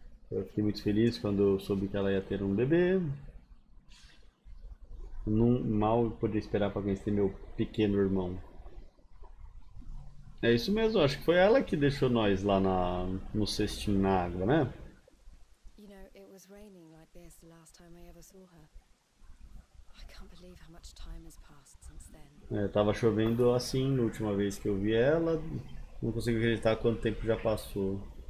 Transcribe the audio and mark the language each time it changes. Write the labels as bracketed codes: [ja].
[pt] Eu fiquei muito feliz quando soube que ela ia ter um bebê. Mal podia esperar para conhecer meu pequeno irmão. É isso mesmo, acho que foi ela que deixou nós lá no cestinho na água, né? [en] It was raining like this the last time I ever saw her. I can't believe how much time has passed since then. [pt] Tava chovendo assim na última vez que eu vi ela. Não consigo acreditar quanto tempo já passou.